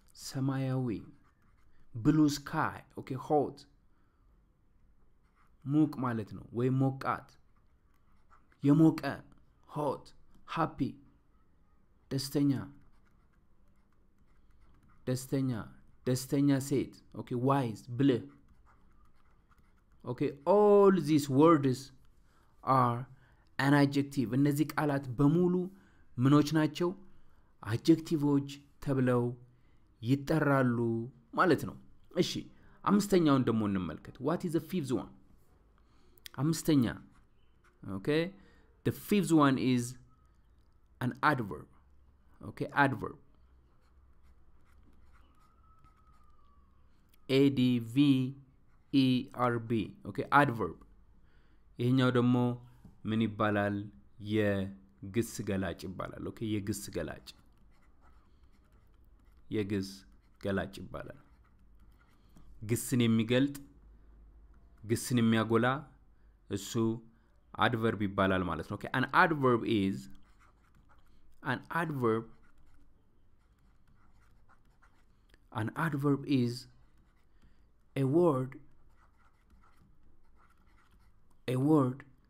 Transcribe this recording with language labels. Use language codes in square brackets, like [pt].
[am] ሰማያዊ። [en] ብሉ ስካይ። [am] ኦኬ፣ ሆት ሙቅ ማለት ነው፣ ወይም ሞቃት፣ የሞቀ። ሆት። ሃፒ ደስተኛ፣ ደስተኛ፣ ደስተኛ ሴት። ኦኬ፣ ዋይዝ ብልህ። ኦኬ፣ [en] ኦል ዚስ ወርድስ አር an adjective. [am] እነዚህ ቃላት በሙሉ ምኖች ናቸው? adjectiveዎች ተብለው ይጠራሉ ማለት ነው። እሺ፣ አምስተኛውን ደሞ እንመልከት። [en] what is the fifth one? [am] አምስተኛ። [en] ኦኬ፣ the fifth one is an adverb. ኦኬ፣ adverb ADVERB. [am] ኦኬ፣ adverb ይሄኛው ደሞ ምን ይባላል? የግስ ገላጭ ይባላል። ኦኬ፣ የግስ ገላጭ፣ የግስ ገላጭ ይባላል። ግስን የሚገልጥ፣ ግስን የሚያጎላ እሱ አድቨርብ ይባላል ማለት ነው። ኦኬ፣ [en] an adverb is a word